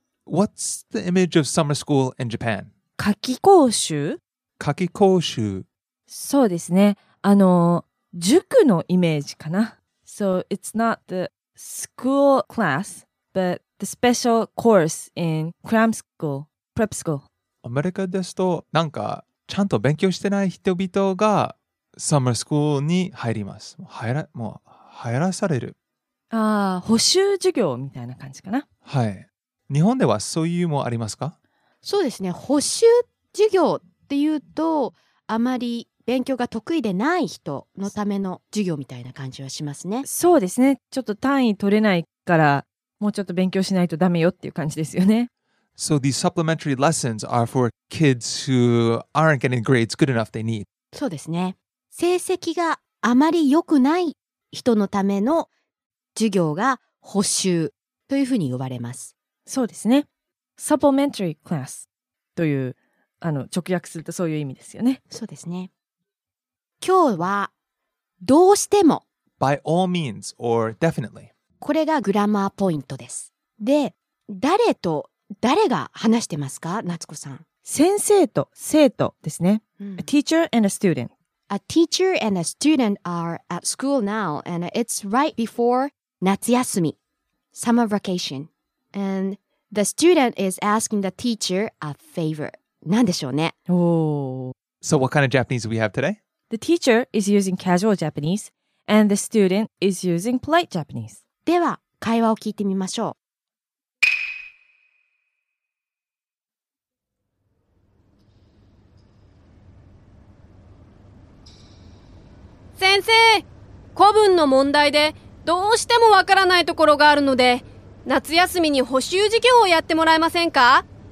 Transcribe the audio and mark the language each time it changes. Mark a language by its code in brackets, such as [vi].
[en] What's the image of summer school in Japan? [ja] 夏期講習？夏期講習。そうですね。あの、塾のイメージかな。 [en] So it's not the school class, but the special course in cram school, prep school. [ja] アメリカですと、なんかちゃんと勉強してない人々がサマースクールに入ります。もう入らされる。ああ、補習授業みたいな感じかな。はい。日本ではそういうもありますか？そうですね。補習授業っていうと、あまり勉強が得意でない人のための授業みたいな感じはしますね。そうですね。ちょっと単位取れないから、もうちょっと勉強しないとダメよっていう感じですよね。 [en] So these supplementary lessons are for kids who aren't getting grades good enough they need. [ja] そうですね。成績があまり良くない人のための授業が補習というふうに呼ばれます。そうですね。 [en] Supplementary class [ja] という直訳するとそういう意味ですよね。そうですね。今日はどうしても。 [en] By all means or definitely. [ja] これがグラマーポイントです。で、誰と誰が話してますか、夏子さん。先生と生徒ですね。 [en] A teacher and a student. A teacher and a student are at school now, and it's right before 夏休み summer vacation. And the student is asking the teacher a favor. [ja] 何でしょうね。 [en] So what kind of Japanese do we have today? The teacher is using casual Japanese, and the student is using polite Japanese. [ja] では、会話を聞いてみましょう。先生、古文の問題でどうしてもわからないところがあるので、夏休みに補習授業をやってもらえませんか？